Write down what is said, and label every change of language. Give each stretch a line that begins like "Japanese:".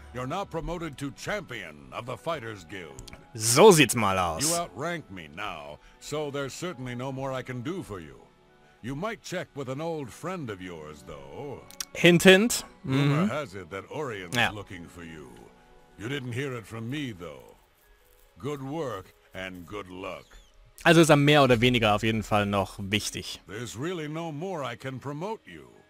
English: You're now promoted to Champion of the Fighters Guild.
German: So sieht's mal aus.
English: You outrank me now, so there's certainly no more I can do for you. You might check with an old friend of yours, though. Hint, hint. Mm-hmm. Rumor has it that Orion's looking for you. You didn't hear it from me, though. Good work and good luck.
German: Also ist er mehr oder weniger auf jeden Fall noch wichtig.
English: There's really no more I can promote you.